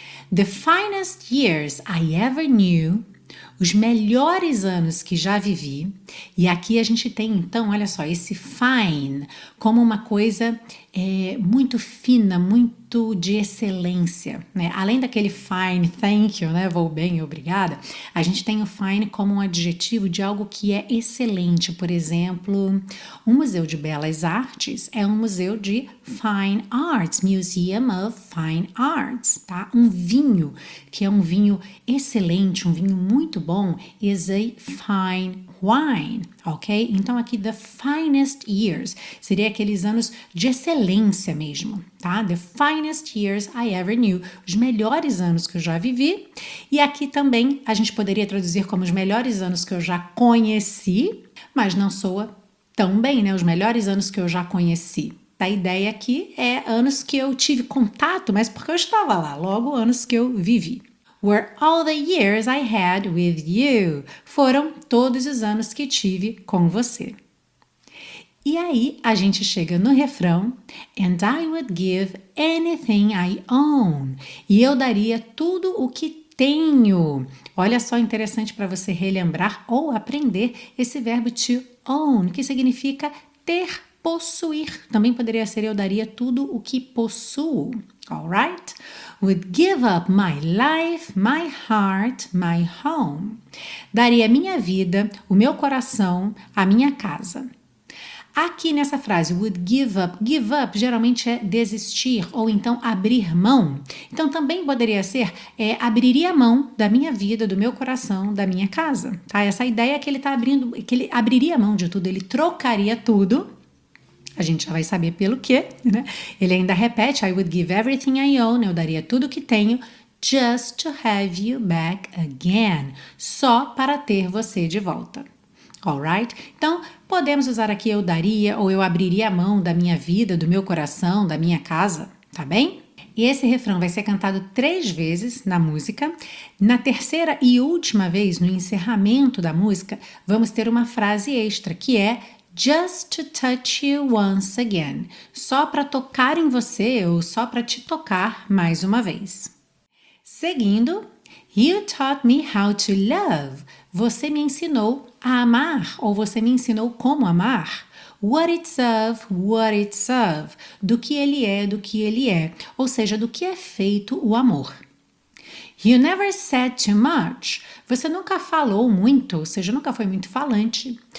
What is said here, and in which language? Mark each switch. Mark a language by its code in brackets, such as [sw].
[en] The finest years I ever knew. [pt] Os melhores anos que já vivi. E aqui a gente tem, então, olha só, esse fine como uma coisa muito fina, muito de excelência, né? Além daquele [en] fine, thank you, [pt] né? Vou bem, obrigada. A gente tem o fine como um adjetivo de algo que é excelente. Por exemplo, um museu de belas artes é um museu de fine arts, [en] Museum of Fine Arts, [pt] tá? Um vinho, que é um vinho excelente, um vinho muito bom, [en] is a fine wine, [pt] ok? Então aqui, [en] the finest years, [pt] seria aqueles anos de excelência mesmo, tá? [en] The finest years I ever knew, [pt] os melhores anos que eu já vivi. E aqui também a gente poderia traduzir como os melhores anos que eu já conheci, mas não soa tão bem, né? Os melhores anos que eu já conheci. A ideia aqui é anos que eu tive contato, mas porque eu estava lá, logo anos que eu vivi. [en] Were all the years I had with you. [pt] Foram todos os anos que tive com você. E aí a gente chega no refrão. [en] And I would give anything I own. [pt] E eu daria tudo o que tenho. Olha só, interessante para você relembrar ou aprender esse verbo to own, que significa ter, possuir. Também poderia ser eu daria tudo o que possuo. [en] All right? Would give up my life, my heart, my home. [pt] Daria minha vida, o meu coração, a minha casa. Aqui nessa frase, would give up geralmente é desistir ou então abrir mão. Então também poderia ser, abriria mão da minha vida, do meu coração, da minha casa. Tá? Essa ideia é que ele tá abrindo, que ele abriria mão de tudo, ele trocaria tudo. A gente já vai saber pelo quê, né? Ele ainda repete, [en] I would give everything I own, [pt] eu daria tudo que tenho, [en] just to have you back again, [pt] só para ter você de volta. Alright? Então, podemos usar aqui eu daria ou eu abriria a mão da minha vida, do meu coração, da minha casa, tá bem? E esse refrão vai ser cantado 3 vezes na música. Na terceira e última vez, no encerramento da música, vamos ter uma frase extra, que é [en] just to touch you once again. [pt] Só para tocar em você ou só para te tocar mais uma vez. [en] Seguindo, you taught me how to love. [pt] Você me ensinou a amar ou você me ensinou como amar. [en] What it's of, what it's of. [pt] Do que ele é, do que ele é. Ou seja, do que é feito o amor. [en] You never said too much. [pt] Você nunca falou muito, ou seja, nunca foi muito falante.